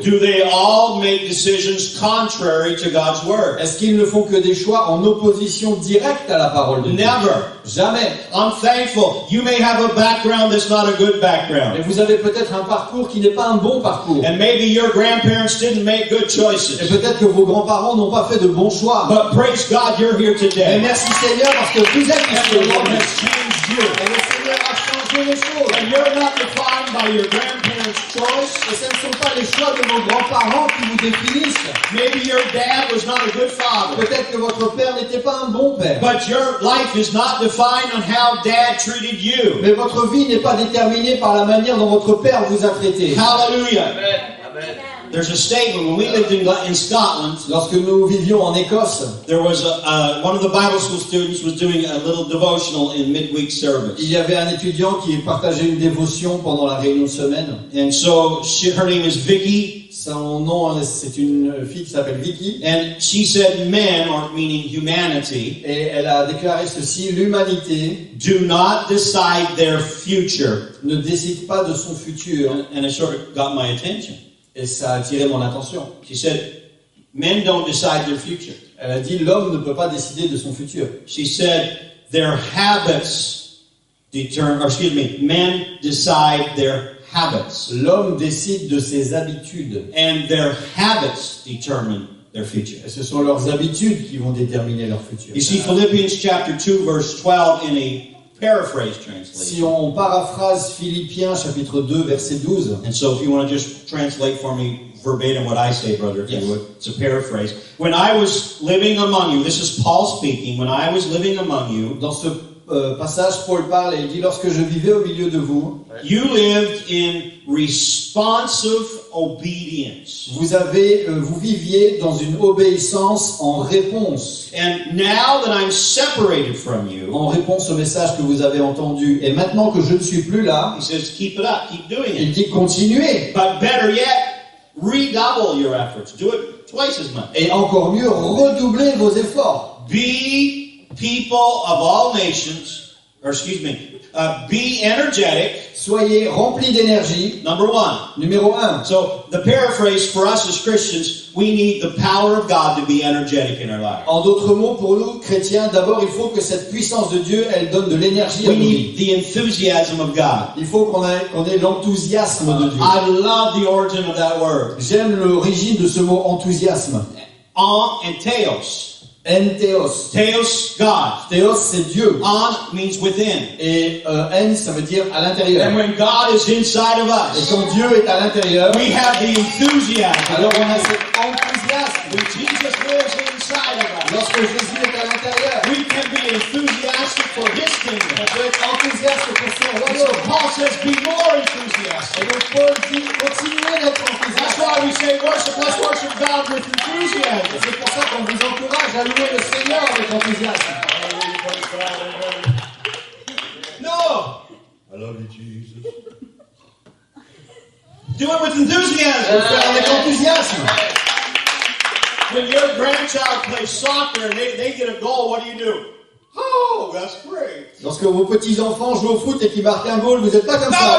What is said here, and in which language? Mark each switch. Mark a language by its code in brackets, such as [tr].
[en] Do they all make decisions contrary to God's word? [fr] Est-ce qu'ils ne font que des choix en opposition directe à la parole de Dieu? [en] Never. [fr] Jamais. [en] I'm thankful. You may have a background that's not a good background. [fr] Et vous avez peut-être un parcours qui n'est pas un bon parcours. [en] And maybe your grandparents didn't make good choices. [fr] Et peut-être que vos grands-parents n'ont pas fait de bons choix. [en] But praise God, you're here today. [fr] Et merci Seigneur parce que vous êtes ici. [en] And the Lord has changed you. [fr] Et le Seigneur a changé les choses. [en] And you're not defined by your grandparents' choice. [fr] Et ce ne sont pas les choix de vos grands-parents qui vous définissent. [en] Maybe your dad was not a good father. [fr] Peut-être que votre père n'était pas un bon père. [en] But your life is not defined on how dad treated you. [fr] Mais votre vie n'est pas déterminée par la manière dont votre père vous a traité. Hallelujah. Amen. [en] There's a statement when we lived in Scotland. [fr] Lorsque nous vivions en Écosse, [en] there was one of the Bible school students was doing a little devotional in midweek service. [fr] Il y avait un étudiant qui partageait une dévotion pendant la réunion de semaine. [en] And so her name is Vicky. [fr] Son nom, c'est une fille qui s'appelle Vicky. [en] And she said, "Men, or meaning humanity." [fr] Et elle a déclaré ceci: l'humanité. [en] Do not decide their future. [fr] Ne décide pas de son futur. [en] And it sort of got my attention. [fr] Et ça a attiré mon attention. [en] She said, men don't decide their future. [fr] Elle a dit, l'homme ne peut pas décider de son futur. [en] She said, their habits determine, or excuse me, men decide their habits. [fr] L'homme décide de ses habitudes. [en] And their habits determine their future. [fr] Et ce sont leurs habitudes qui vont déterminer leur futur. [en] You see, Philippians chapter 2, verse 12, in a paraphrase translation. [fr] Si on paraphrase Philippiens chapitre 2 verset 12. [en] And so if you want to just translate for me verbatim what I say, brother, if yes. You would. It's a paraphrase. When I was living among you, this is Paul speaking, when I was living among you, [fr] dans ce passage, Paul parle et il dit lorsque je vivais au milieu de vous, [en] you lived in responsive obedience. [fr] Vous viviez dans une obéissance en réponse. [en] And now that I'm separated from you, [fr] en réponse au message que vous avez entendu, et maintenant que je ne suis plus là, [en] he says, keep it up, keep doing it. [fr] Il dit continuez. [en] But better yet, redouble your efforts. Do it twice as much. [fr] Et encore mieux, redoublez vos efforts. [en] Be people of all nations, or excuse me, be energetic. [fr] Soyez remplis d'énergie. [en] Number one. [fr] Numéro un. [en] So the paraphrase for us as Christians, we need the power of God to be energetic in our lives. [fr] En d'autres mots, pour nous chrétiens, d'abord il faut que cette puissance de Dieu, elle donne de l'énergie à nous. [en] We need the enthusiasm of God. [fr] Il faut qu'on ait l'enthousiasme de Dieu. [en] I love the origin of that word. [fr] J'aime l'origine de ce mot enthousiasme. [en] En and theos. [fr] En theos. [en] Theos, God. [fr] Theos, c'est Dieu. [en] En means within. [fr] Et en, ça veut dire à l'intérieur. [en] And when God is inside of us, [fr] et quand Dieu est à l'intérieur, [en] we have the enthusiasm. [fr] Alors on a cet enthousiasme. [en] When Jesus lives inside of us, [fr] lorsque Jésus est à l'intérieur, [en] we can be enthusiastic for his kingdom. [fr] On peut être enthusiaste pour son royaume. [en] So Paul says, be more enthusiastic. [fr] Et donc Paul dit, continuez d'être enthusiaste. [en] That's why we say worship, let's worship God with enthusiasm. [fr] Et c'est pour ça qu'on vous encourage à louer le Seigneur avec enthousiasme. [en] No! I love you, Jesus. Do it with enthusiasm. [fr] Avec enthusiasme. [en] When your grandchild plays soccer and they get a goal, what do you do? Oh, that's great. [fr] Lorsque vos petits enfants jouent au foot et qu'ils marquent un goal, vous n'êtes pas comme ça.